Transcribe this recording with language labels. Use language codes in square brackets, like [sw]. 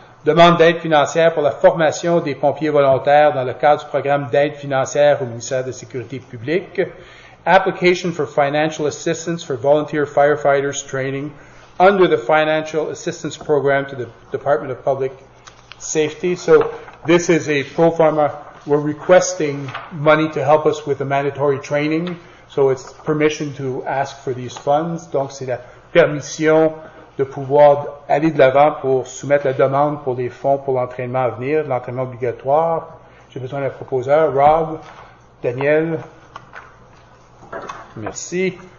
[fr] Demande d'aide financière pour la formation des pompiers volontaires dans le cadre du programme d'aide financière au ministère de la Sécurité publique. [en] Application for financial assistance for volunteer firefighters training under the financial assistance program to the Department of Public Safety. So this is a pro forma. We're requesting money to help us with the mandatory training. So it's permission to ask for these funds. [fr] Donc c'est la permission de pouvoir aller de l'avant pour soumettre la demande pour les fonds pour l'entraînement à venir, l'entraînement obligatoire. J'ai besoin d'un proposeur. Rob, Daniel, merci.